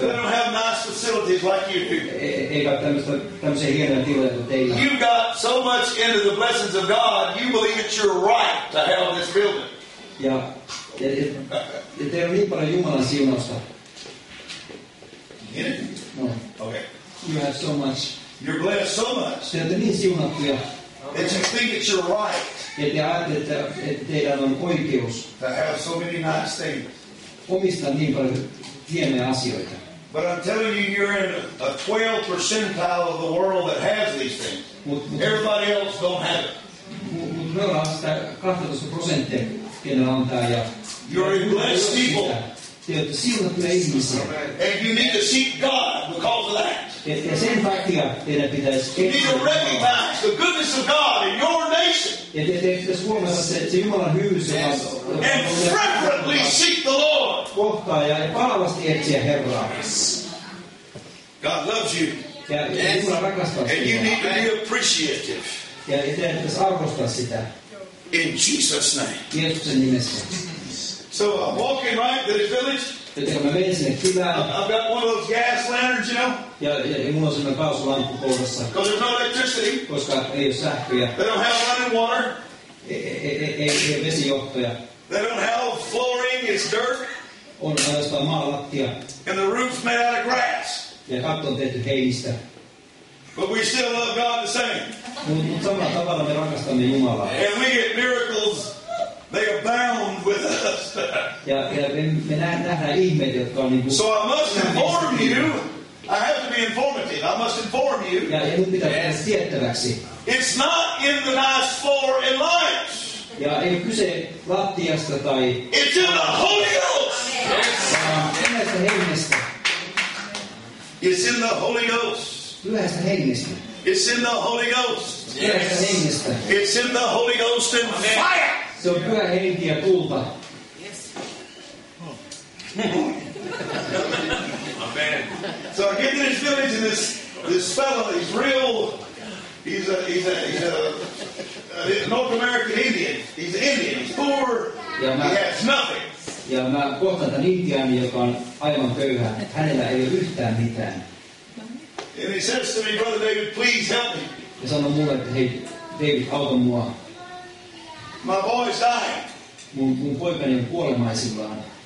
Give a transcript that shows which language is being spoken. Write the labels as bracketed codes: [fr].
[en] They don't have nice facilities like you do. [fi] Eikä tämmöisiä hienoja tiloja kuin teillä. [en] You got so much into the blessings of God, you believe it's your right to have this building. [fi] Ja teillä on niin paljon Jumalan siunasta. [en] No. Okay. You have so much. You're blessed so much. [fi] Te olette niin siunattuja. [en] And you think it's your right. [fi] Ja te ajattelette, että teillä on oikeus. [en] To have so many nice things. [fi] Omista niin paljon hienoja asioita. [en] But I'm telling you, you're in a 12th percentile of the world that has these things. Everybody else don't have it. [fi] Mutta me ollaan sitä 12 prosenttia, kenellä on tämä. [en] You're a blessed people. [fi] Te olette siunattuja ihmisiä. [en] And you need to seek God because of that. [fi] Ja sen takia teidän pitäisi keksiä. [en] You need to recognize the goodness of God in your nation. [fi] Ja te pitäisi huomata se, että se Jumalan hyvyys on. [en] And fervently seek the Lord. [fi] Kohtaa ja palavasti etsiä Herraa. [en] God loves you. [fi] Ja Jumala rakastaa sinua. [en] And you need to be appreciative. [fi] Ja teidän pitäisi arvostaa sitä. [en] In Jesus' name. [fi] Jeesuksen nimessä. [en] So I'm walking right to the village. I've got one of those gas lanterns, you know. Yeah, it was in the house lamp before us. Because there's no electricity. [fi] Koska ei ole sähköä. [en] They don't have running water. [fi] Ei vesijohtoja. [en] They don't have flooring. It's dirt. [fi] On ainoastaan maalattia. [en] And the roof's made out of grass. [fi] Ja katto on tehty heinistä. [en] But we still love God the same. [fi] Mutta samalla tavalla me rakastamme Jumalaa. [en] And we get miracles. They abound with us. [fi] Ja me nähdään ihmeitä, jotka on niin kuin. [en] So I must inform you. I have to be informative. I must inform you. [fi] Ja nyt pitää päästä tiettäväksi. [en] It's not in the nice floor and lights. [fi] Ja ei kyse lattiasta tai. [en] It's in the Holy Ghost. Yes. [fi] Pyhästä hengestä. [en] It's in the Holy Ghost. [fi] Pyhästä hengestä. [en] It's in the Holy Ghost. [fi] Pyhästä hengestä. [en] It's in the Holy Ghost and fire. [fi] Se on pyhä henki ja tulta. [en] Yes. Amen. So I get to this village and this fellow, he's real. He's a North American Indian. He's an Indian. He's poor. He has nothing. [fi] Ja mä kohtaan tämän intiaani, joka on aivan köyhä. Hänellä ei ole yhtään mitään. [en] And he says to me, Brother David, please help me. [fi] Ja sanoo mulle, että hei, David, auta mua. [en] My boy's dying. [fi] Mun poikani on kuolemaisillaan.